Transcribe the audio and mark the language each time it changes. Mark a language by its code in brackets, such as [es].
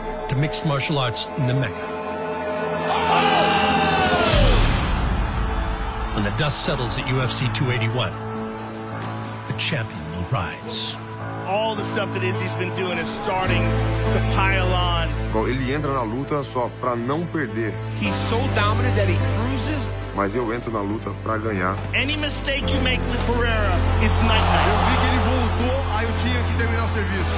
[en] To mixed martial arts in the Mecca. Oh! When the dust settles at UFC 281, the champion will rise. All the stuff that Izzy's been doing is starting to pile on. [pt] Bom, ele entra na luta só pra não perder. [en] He's so dominant that he cruises. [pt] Mas eu entro na luta pra ganhar. [en] Any mistake you make with Pereira, it's nightmare. [pt] Eu vi que ele voltou, aí eu tinha que terminar o serviço.